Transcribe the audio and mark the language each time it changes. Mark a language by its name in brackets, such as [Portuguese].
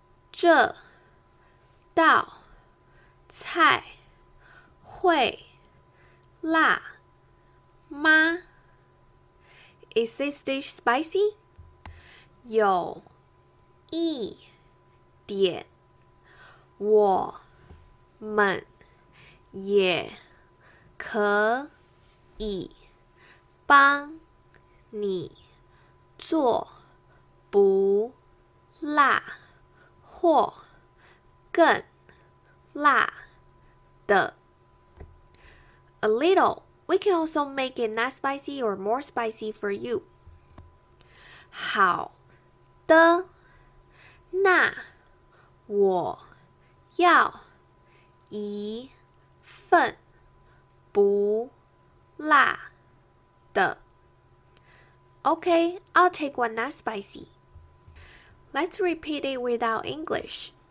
[Chinese] 这道菜会辣吗? [English] Is this dish spicy? [Chinese] 有一点，我们也可以帮你做，不辣或更辣的。 [English] A little. We can also make it not spicy or more spicy for you. [Chinese] 好的，那我要一份不辣的。 [English] Okay, I'll take one not spicy. Let's repeat it without English.